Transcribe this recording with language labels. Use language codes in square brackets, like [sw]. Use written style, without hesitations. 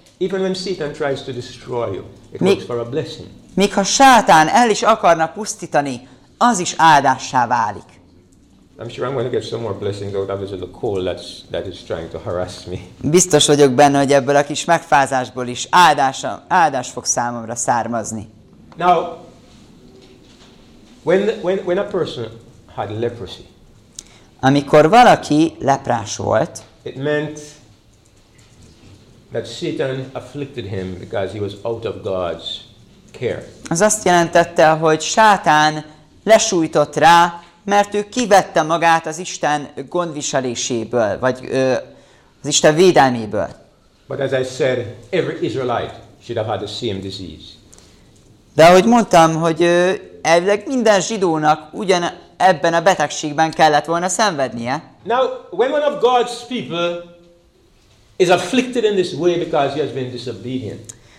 [en] Even when Satan tries to destroy you, it works for a blessing. [hu] Még ha Sátán el is akarna pusztítani, az is áldássá válik. [en] I'm sure I'm going to get some more blessings out of this little cold that is trying to harass me. [hu] Biztos vagyok benne, hogy ebből a kis megfázásból is áldás fog számomra származni. [en] Now, when a person had leprosy. [hu] Amikor valaki leprás volt, [en] it meant that Satan afflicted him because he was out of God's care. [hu] Az azt jelentette, hogy Sátán lesújtott rá, mert ő kivette magát az Isten gondviseléséből, vagy az Isten védelméből. [en] But as I said, every Israelite should have had the same disease. [hu] De ahogy mondtam, hogy elvileg minden zsidónak ugyan ebben a betegségben kellett volna szenvednie. [en] Now, when one of God's people is afflicted in this way because he has been disobedient.